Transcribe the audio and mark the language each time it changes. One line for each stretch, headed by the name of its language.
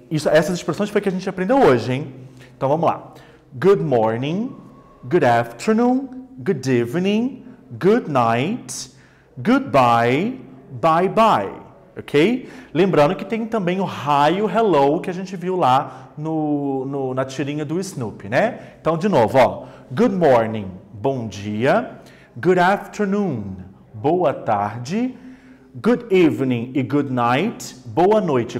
Portuguese: Essas expressões foi que a gente aprendeu hoje, hein? Então, vamos lá.
English: Good morning, good afternoon, good evening, good night, goodbye, bye-bye. Ok?
Portuguese: Lembrando que tem também o hi, o hello, que a gente viu lá na tirinha do Snoopy, né? Então, de novo, ó.
English: Good morning,
Portuguese: bom dia.
English: Good afternoon,
Portuguese: boa tarde.
English: Good evening
Portuguese: e
English: good night,
Portuguese: boa noite.